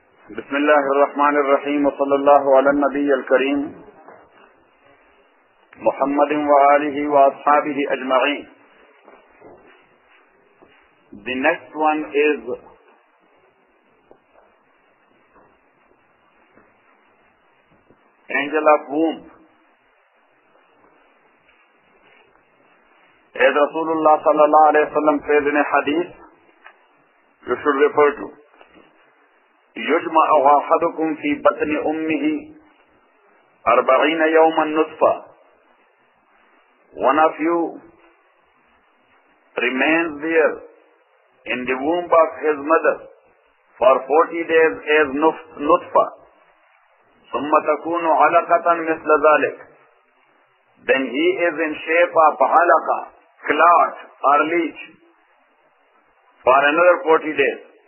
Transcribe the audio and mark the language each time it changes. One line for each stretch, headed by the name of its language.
Arabic: بسم الله الرحمن الرحيم وصلى الله على النبي الكريم محمد وآله وأصحابه أجمعين.
English: The next one is Angel of Womb. As Rasulullah صلى الله عليه وسلم said in a hadith, you should refer to
Arabic: يجمع أحدكم في بطن أمه 40 يوما نطفة.
English: One of you remains there in the womb of his mother for 40 days as نطفة.
Arabic: ثم تكون علقة مثل ذلك.
English: Then he is in shape of علقة, clot or leech for another 40 days.